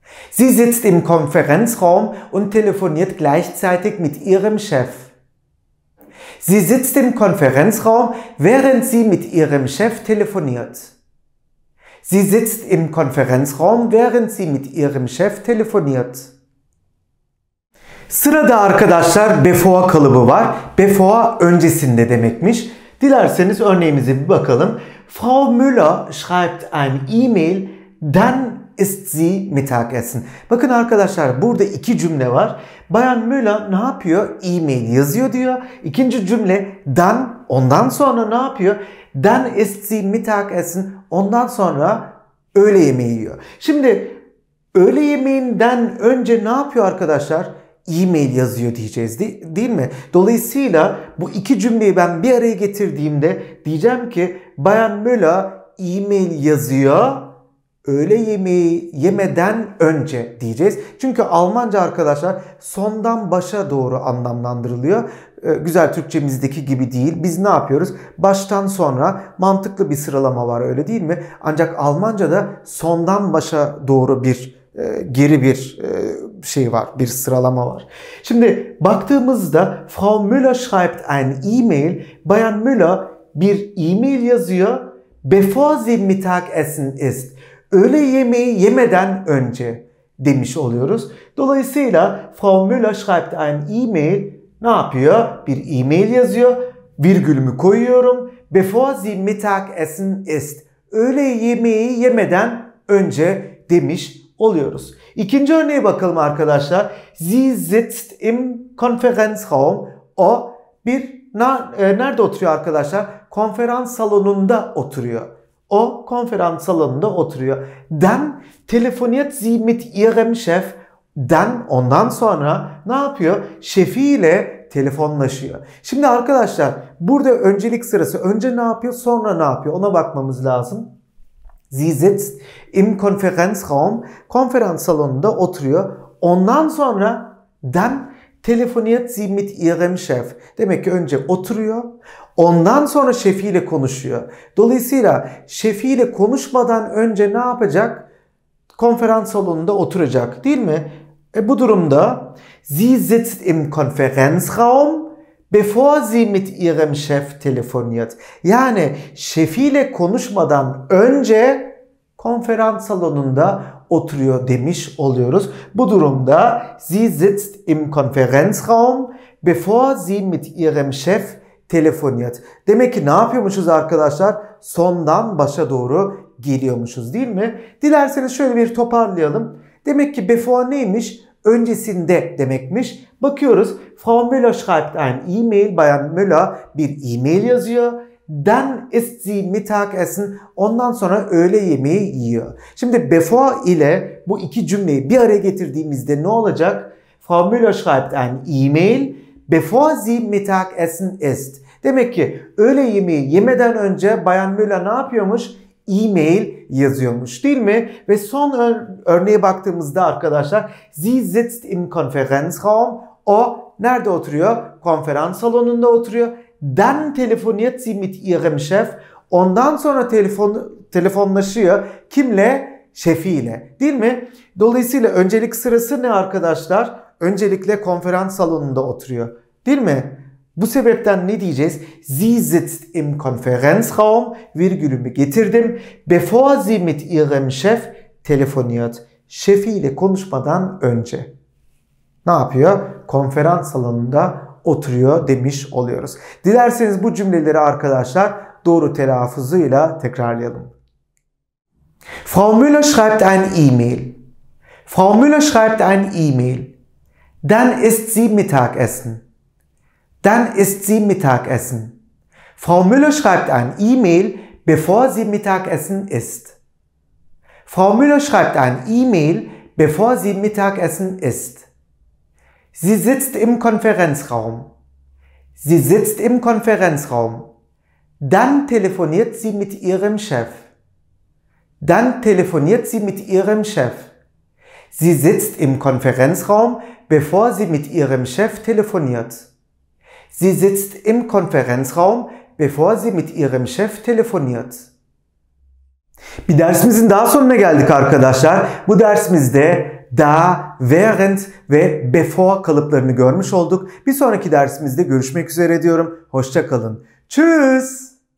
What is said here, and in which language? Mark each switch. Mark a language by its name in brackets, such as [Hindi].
[German] Sie sitzt im Konferenzraum und telefoniert gleichzeitig mit ihrem Chef. Sie sitzt im Konferenzraum, während sie mit ihrem Chef telefoniert. Sie sitzt im Konferenzraum, während sie mit ihrem Chef telefoniert. [Turkish] Sırada arkadaşlar before kalıbı var. Before öncesinde demekmiş. Dilerseniz örneğimize bir bakalım. [German] Frau Müller schreibt ein E-Mail, dann isst sie Mittagessen. [Turkish] Bakın arkadaşlar burada iki cümle var. Bayan Müller ne yapıyor? E-Mail yazıyor diyor. İkinci cümle dann, ondan sonra ne yapıyor? [German] Dann isst sie Mittagessen, [Turkish] ondan sonra öğle yemeği yiyor. Şimdi öğle yemeğinden önce ne yapıyor arkadaşlar? E-mail yazıyor diyeceğiz değil mi? Dolayısıyla bu iki cümleyi ben bir araya getirdiğimde diyeceğim ki Bayan Müller e-mail yazıyor öğle yemeği yemeden önce diyeceğiz. Çünkü Almanca arkadaşlar sondan başa doğru anlamlandırılıyor. Güzel Türkçemizdeki gibi değil. Biz ne yapıyoruz? Baştan sonra mantıklı bir sıralama var öyle değil mi? Ancak Almanca'da sondan başa doğru bir geri bir şey var, bir sıralama var. Şimdi baktığımızda [German] Frau Müller schreibt ein E-Mail. [Turkish] Bayan Müller bir e-mail yazıyor. [German] Bevor sie Mittagessen isst. [Turkish] Öğle yemeği yemeden önce demiş oluyoruz. [German] Dolayısıyla Frau Müller schreibt ein E-Mail. [Turkish] Ne yapıyor? Bir e-mail yazıyor. Virgülümü koyuyorum. [German] Bevor sie Mittagessen isst. [Turkish] Öğle yemeği yemeden önce demiş oluyoruz. İkinci örneğe bakalım arkadaşlar. [German] Sie sitzt im Konferenzraum. [Turkish] O bir nerede oturuyor arkadaşlar? Konferans salonunda oturuyor. O konferans salonunda oturuyor. [German] Dann telefoniert sie mit ihrem Chef. [Turkish] Dann ondan sonra ne yapıyor? Şefiyle telefonlaşıyor. Şimdi arkadaşlar burada öncelik sırası. Önce ne yapıyor? Sonra ne yapıyor? Ona bakmamız lazım. [German] Sie sitzt im Konferenzraum, [Turkish] konferans salonunda oturuyor. Ondan sonra [German] dann telefoniert sie mit ihrem Chef. [Turkish] Demek ki önce oturuyor, ondan sonra şefiyle konuşuyor. Dolayısıyla şefiyle konuşmadan önce ne yapacak? Konferans salonunda oturacak, değil mi? Bu durumda [German] sie sitzt im Konferenzraum, bevor sie mit ihrem Chef telefoniert. [Turkish] Yani şefiyle konuşmadan önce konferans salonunda oturuyor demiş oluyoruz. Bu durumda [German] sie sitzt im Konferenzraum, bevor sie mit ihrem Chef telefoniert. [Turkish] Demek ki ne yapıyormuşuz arkadaşlar? Sondan başa doğru geliyormuşuz değil mi? Dilerseniz şöyle bir toparlayalım. Demek ki bevor neymiş? Öncesinde demekmiş. [German] Bakıyoruz. Frau Müller schreibt ein E-Mail. [Turkish] Bayan Müller bir e-mail yazıyor. [German] Dann ist sie Mittagessen. [Turkish] Ondan sonra öğle yemeği yiyor. Şimdi before ile bu iki cümleyi bir araya getirdiğimizde ne olacak? [German] Formula schreibt ein E-Mail. Before sie Mittagessen ist. [Turkish] Demek ki öğle yemeği yemeden önce Bayan Müller ne yapıyormuş? E-Mail yazıyormuş değil mi? Ve son örneğe baktığımızda arkadaşlar, [German] sie sitzt im Konferenzraum. [Turkish] O nerede oturuyor? Konferans salonunda oturuyor. [German] Dann telefoniert sie mit ihrem Chef. [Turkish] Ondan sonra telefonlaşıyor. Kimle? Şefiyle. Değil mi? Dolayısıyla öncelik sırası ne arkadaşlar? Öncelikle konferans salonunda oturuyor. Değil mi? Bu sebepten ne diyeceğiz? [German] Sie sitzt im Konferenzraum. [Turkish] Virgülümü getirdim. [German] Bevor sie mit ihrem Chef telefoniert. [Turkish] Şefiyle konuşmadan önce. Ne yapıyor? Konferans salonunda oturuyor demiş oluyoruz. Dilerseniz bu cümleleri arkadaşlar doğru telaffuzuyla tekrarlayalım. [German] Frau Müller schreibt ein E-Mail. Frau Müller schreibt ein E-Mail. Dann isst sie Mittagessen. Dann isst sie Mittagessen. Frau Müller schreibt ein E-Mail, bevor sie Mittagessen isst. Frau Müller schreibt ein E-Mail, bevor sie Mittagessen isst. Sie sitzt im Konferenzraum. Sie sitzt im Konferenzraum. Dann telefoniert sie mit ihrem Chef. Dann telefoniert sie mit ihrem Chef. Sie sitzt im Konferenzraum, bevor sie mit ihrem Chef telefoniert. Sie sitzt im Konferenzraum, bevor sie mit ihrem Chef telefoniert. [Turkish] Bir dersimizin daha sonuna geldik arkadaşlar. Bu dersimizde da, während ve before kalıplarını görmüş olduk. Bir sonraki dersimizde görüşmek üzere diyorum. Hoşça kalın. [German] Tschüss.